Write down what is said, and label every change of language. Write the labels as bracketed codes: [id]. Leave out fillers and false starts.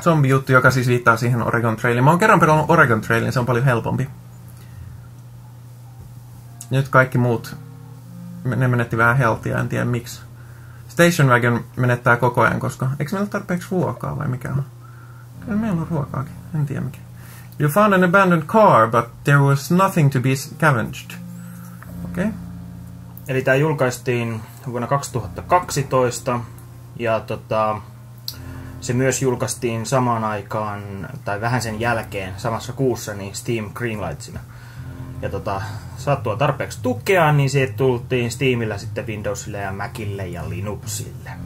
[fi] Zombi-juttu, joka siis viittaa siihen Oregon Trailiin. Mä oon kerran pelannut Oregon Trailin, se on paljon helpompi. Nyt kaikki muut, ne menetti vähän healthia, en tiedä miksi. Station Wagon menettää koko ajan, koska... Eikö meillä tarpeeksi ruokaa vai mikä on? Kyllä meillä on ruokaakin, en tiedä mikä. [en] You found an abandoned car, but there was nothing to be scavenged. Okei. Okay. [fi] Eli tää julkaistiin vuonna 2012, ja se myös julkaistiin samaan aikaan, tai vähän sen jälkeen, samassa kuussa, niin Steam Greenlightsina. Ja sattua tarpeeksi tukea, niin siitä tultiin Steamillä sitten Windowsille ja Macille ja Linuxille.